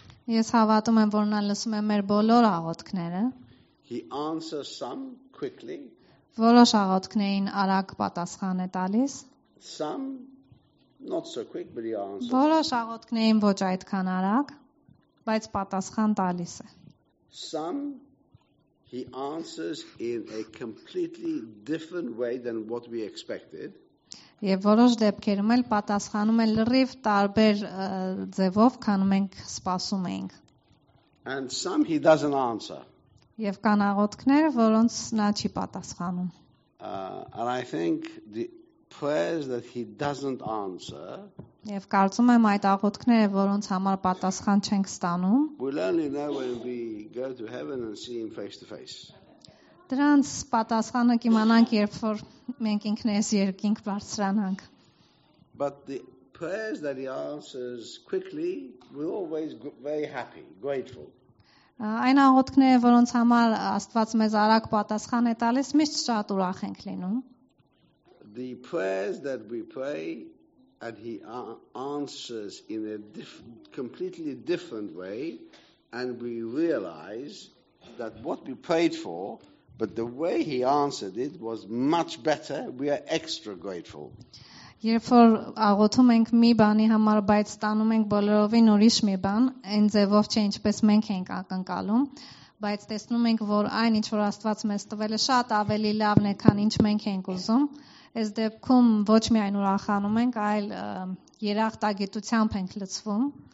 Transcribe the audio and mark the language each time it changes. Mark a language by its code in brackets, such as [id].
[hy] Ես հավատում եմ, որ նա լսում է մեր բոլոր աղոթքները. [en] He answers some quickly. [hy] Որոշ աղոթքներին արագ պատասխան է տալիս. [en] Some not so quick, but he answers. [hy] Որոշ աղոթքներին ոչ այդքան արագ, բայց պատասխան տալիս է. [en] Some he answers in a completely different way than what we expected. [hy] Եվ որոշ դեպքերում էլ պատասխանում են լրիվ տարբեր ձևով, քան մենք սպասում էինք։ [en] And some he doesn't answer. [hy] Եվ կան աղոթքներ, որոնց նա չի պատասխանում։ [en] And I think the prayers that he doesn't answer. [hy] Եվ կարծում եմ այդ աղոթքները, որոնց համար պատասխան չենք ստանում։ [en] We learn now when we go to heaven and see him face to face. [hy] Դրանց պատասխանը կիմանանք, երբ որ մենք ինքներս երկինք բարձրանանք։ [en] But the prayers that he answers quickly, we're always very happy, grateful. [hy] Այն աղոթքները, որոնց համար Աստված մեզ արագ պատասխան է տալիս, միշտ շատ ուրախ ենք լինում։ [en] The prayers that we pray and he answers in a completely different way and we realize that what we prayed for But the way he answered it was much better. We are extra grateful. [hy] Երբ որ աղոթում ենք մի բանի համար, բայց ստանում ենք բոլորովին ուրիշ մի բան, այն ձևով չէ, ինչպես մենք ենք ակնկալում, բայց տեսնում ենք, որ այն, ինչ որ Աստված մեզ տվել է, շատ ավելի լավն է, քան ինչ մենք ենք ուզում, այս դեպքում ոչ միայն ուրախանում ենք, այլ երախտագիտությամբ ենք լցվում։